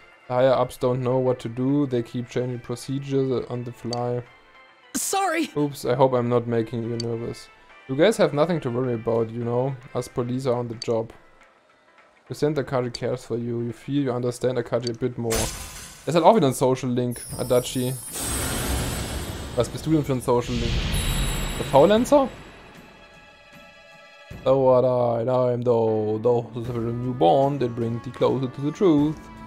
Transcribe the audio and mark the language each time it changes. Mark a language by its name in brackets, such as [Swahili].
[English] The higher ups don't know what to do, they keep changing procedures on the fly. Sorry! Oops, I hope I'm not making you nervous. You guys have nothing to worry about, you know, us police are on the job. You sense Akachi cares for you, you feel you understand Akachi a bit more. [German] Es hat auch wieder ein Social Link, Adachi. Was bist du denn für ein Social Link? Der Faulenzer? [English] So what I'm though the newborn that brings thee closer to the truth.